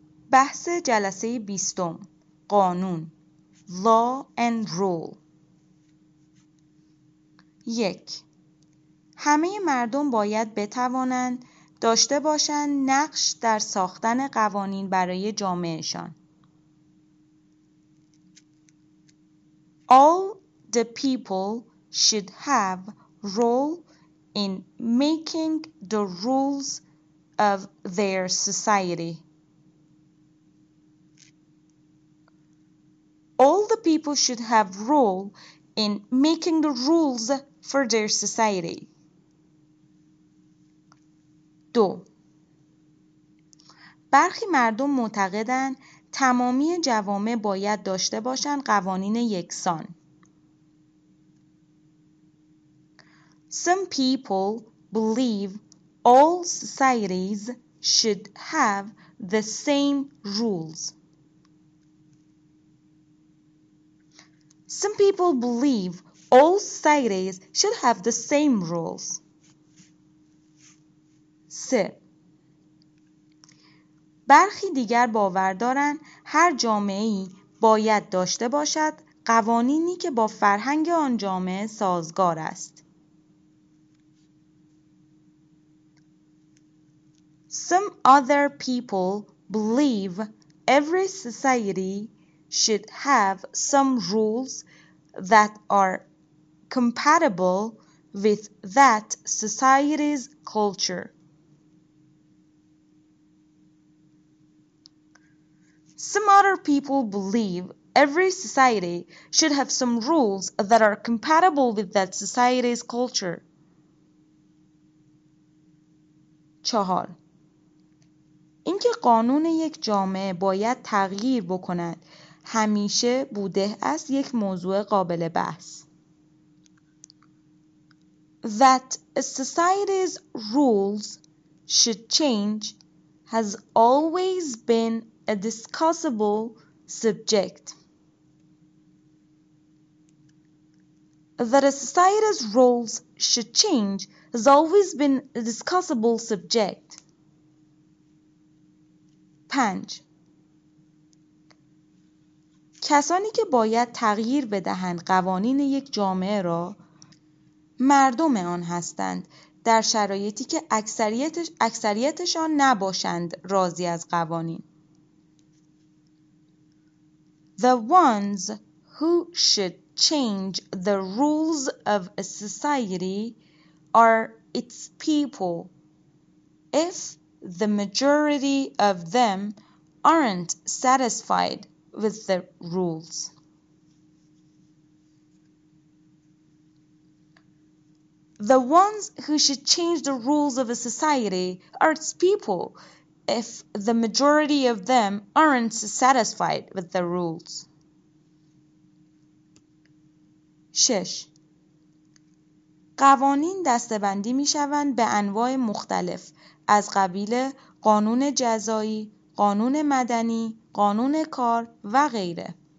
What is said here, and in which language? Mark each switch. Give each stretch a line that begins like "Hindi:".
Persian: بحث جلسه بیستم، قانون،
English: Law and Rule.
Persian: یک، همه مردم باید بتوانند داشته باشند نقش در ساختن قوانین برای جامعهشان.
English: All the people should have role in making the rules of their society. All the people should have role in making the rules for their society.
Persian: دو، برخی مردم معتقدند تمامی جوامع باید داشته باشند قوانین یکسان.
English: Some people believe all societies should have the same rules. Some people believe all societies should have the same rules.
Persian: سه، برخی دیگر باور دارند هر جامعه‌ای باید داشته باشد قوانینی که با فرهنگ آن جامعه سازگار است.
English: Some other people believe every society should have some rules that are compatible with that society's culture. Some other people believe every society should have some rules that are compatible with that society's culture.
Persian: چهار، اینکه قانون یک جامعه باید تغییر بکند همیشه بوده است یک موضوع قابل بحث.
English: That a society's rules should change has always been a discussable subject. That a society's rules should change has always been a discussable subject.
Persian: پنج، کسانی که باید تغییر بدهند قوانین یک جامعه را مردم آن هستند در شرایطی که اکثریتشان نباشند راضی از قوانین.
English: The ones who should change the rules of a society are its people if the majority of them aren't satisfied with the rules. The ones who should change the rules of a society are its people if the majority of them aren't satisfied with the rules.
Persian: شش، قوانین دستبندی می شوند به انواع مختلف از قبیل قانون جزایی، قانون مدنی، قانون کار و غیره.